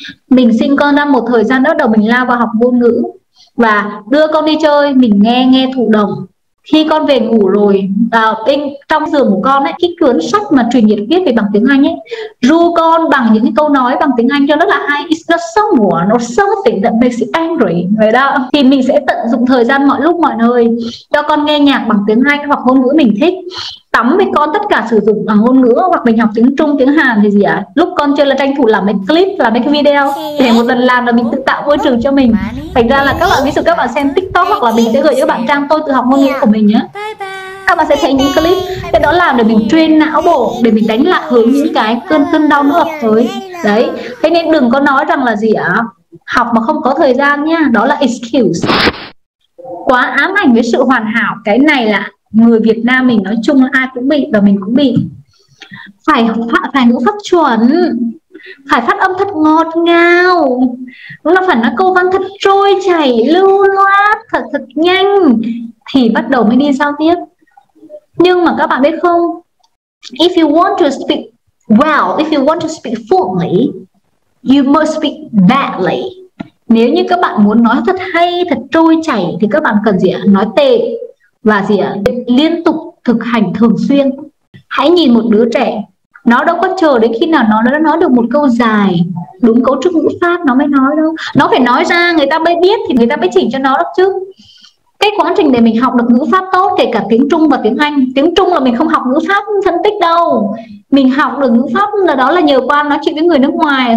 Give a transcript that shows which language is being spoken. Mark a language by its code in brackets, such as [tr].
[vi] Mình sinh con ra một thời gian, bắt đầu mình lao vào học ngôn ngữ và đưa con đi chơi, mình nghe thụ động. Khi con về ngủ rồi, bên trong giường của con ấy, cái cuốn sách mà truyền nhiệt viết về bằng tiếng Anh ấy, ru con bằng những cái câu nói bằng tiếng Anh cho rất là hay. [en] It's not so more, not something that makes it angry. [vi] Vậy đó. Thì mình sẽ tận dụng thời gian mọi lúc mọi nơi cho con nghe nhạc bằng tiếng Anh hoặc ngôn ngữ mình thích. Tắm với con tất cả sử dụng bằng ngôn ngữ, hoặc mình học tiếng Trung, tiếng Hàn thì gì ạ? Lúc con chơi là tranh thủ làm mấy clip, làm mấy cái video để một lần làm, là mình tự tạo môi trường cho mình. Thành ra là các bạn, ví dụ các bạn xem TikTok hoặc là mình sẽ gửi cho các bạn trang tôi tự học ngôn ngữ của mình nhé. Các bạn sẽ thấy những clip, cái đó làm để mình train não bộ, để mình đánh lạc hướng những cái cơn đau nó ập tới. Đấy, thế nên đừng có nói rằng là gì ạ? Học mà không có thời gian nhá, đó là excuse. Quá ám ảnh với sự hoàn hảo, cái này là người Việt Nam mình nói chung là ai cũng bị, và mình cũng bị. Phải ngữ pháp chuẩn, phải phát âm thật ngọt ngào, đúng là phải nói câu văn thật trôi chảy, lưu loát, thật nhanh thì bắt đầu mới đi giao tiếp. Nhưng mà các bạn biết không, [en] if you want to speak well, if you want to speak fluently, you must speak badly. [vi] Nếu như các bạn muốn nói thật hay, thật trôi chảy, thì các bạn cần gì ạ? Nói tệ. Và gì ạ? Liên tục thực hành thường xuyên. Hãy nhìn một đứa trẻ, nó đâu có chờ đến khi nào nó đã nói được một câu dài đúng cấu trúc ngữ pháp nó mới nói đâu. Nó phải nói ra, người ta mới biết, thì người ta mới chỉnh cho nó đó chứ. Cái quá trình để mình học được ngữ pháp tốt, kể cả tiếng Trung và tiếng Anh, tiếng Trung là mình không học ngữ pháp phân tích đâu, mình học được ngữ pháp là đó là nhờ qua nói chuyện với người nước ngoài.